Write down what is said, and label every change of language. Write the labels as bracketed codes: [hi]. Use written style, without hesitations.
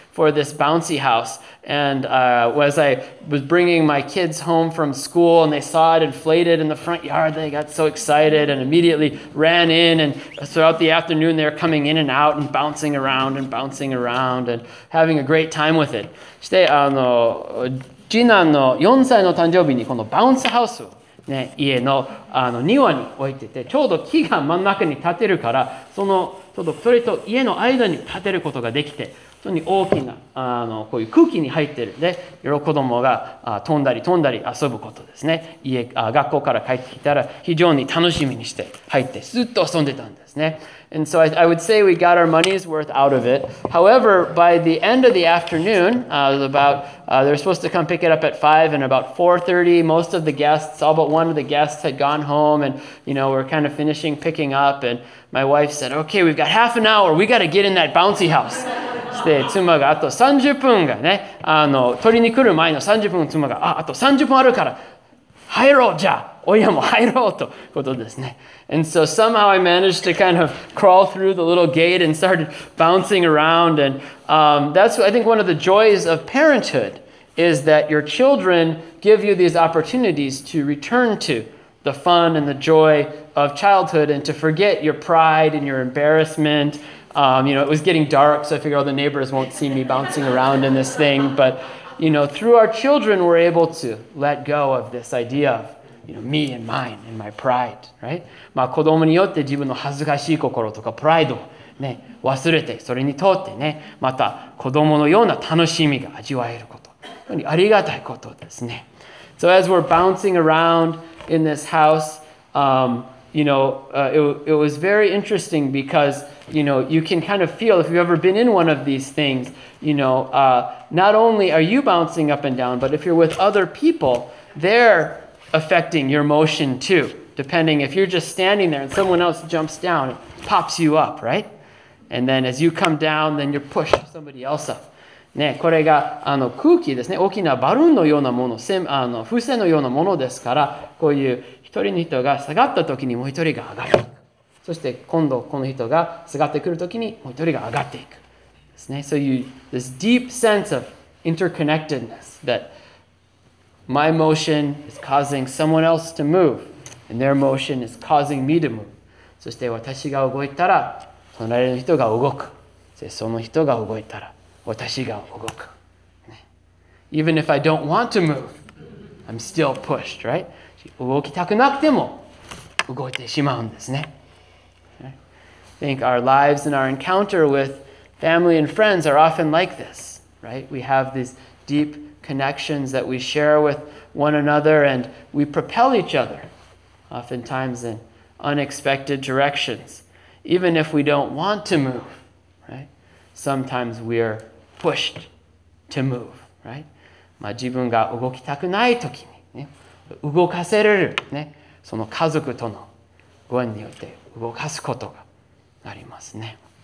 [en] for this bouncy house. And as I was bringing my kids home from school and they saw it inflated in the front yard, they got so excited and immediately ran in. And throughout the afternoon, they were coming in and out and bouncing around and bouncing around and having a great time with it. [ja] そして、次男の4歳の誕生日にこのバウンスハウスを、ね、家 の, あの庭に置いてて、ちょうど木が真ん中に立てるから、そのちょうどそれと家の間に立てることができて、本当に大きなあのこういう空気に入ってるんで、子供が飛んだり飛んだり遊ぶことですね。家学校から帰ってきたら非常に楽しみにして入ってずっと遊んでたんですね。 [en] And so I would say we got our money's worth out of it. However, by the end of the afternoon, they're supposed to come pick it up at 5, and about 4:30, most of the guests, all but one of the guests, had gone home, and you know, we're kind of finishing picking up. And my wife said, "Okay, we've got half an hour. We got to get in that bouncy house." [ja] で妻があと30分がね、あの取りに来る前の30分、妻が あと30分あるから入ろうじゃ、親も入ろうということですね。 [en] And so somehow I managed to kind of crawl through the little gate and started bouncing around. And that's I think one of the joys of parenthood is that your children give you these opportunities to return to the fun and the joy of childhood and to forget your pride and your embarrassment. You know, it was getting dark, so I figured, oh, the neighbors won't see me bouncing around in this thing. But, you know, through our children, we're able to let go of this idea of, you know, me and mine and my pride, right? [ja] まあ、子供によって自分の恥ずかしい心とかプライドをね、忘れて、それにとってね、また子供のような楽しみが味わえること。本当にありがたいことですね。 [en] So as we're bouncing around in this house, you know, it was very interesting because, you know, you can kind of feel if you've ever been in one of these things, you know, not only are you bouncing up and down, but if you're with other people, they're affecting your motion too, depending if you're just standing there and someone else jumps down, it pops you up, right? And then as you come down, then you're pushed somebody else up. [ja] ね、これがあの空気ですね、大きなバルーンのようなもの、あの風船のようなものですから、こういう一人の人が下がった時にもう一人が上がる、そして今度この人が下がってくる時にもう一人が上がっていくですね。 [en] So you, this deep sense of interconnectedness that my motion is causing someone else to move and their motion is causing me to move、 [ja] そして私が動いたら隣の人が動く、その人が動いたら私が動く。 [en] Even if I don't want to move, I'm still pushed, right? [ja] 動きたくなくても動いてしまうんですね。 [en] I think our lives and our encounter with family and friends are often like this, right? We have these deep connections that we share with one another and we propel each other, oftentimes in unexpected directions. Even if we don't want to move, right? Sometimes we arePushed to move, right? [ja] まあ自分が動きたくないときに、ね、動かせれる、ね、その家族とのご縁によって動かすことがありますね。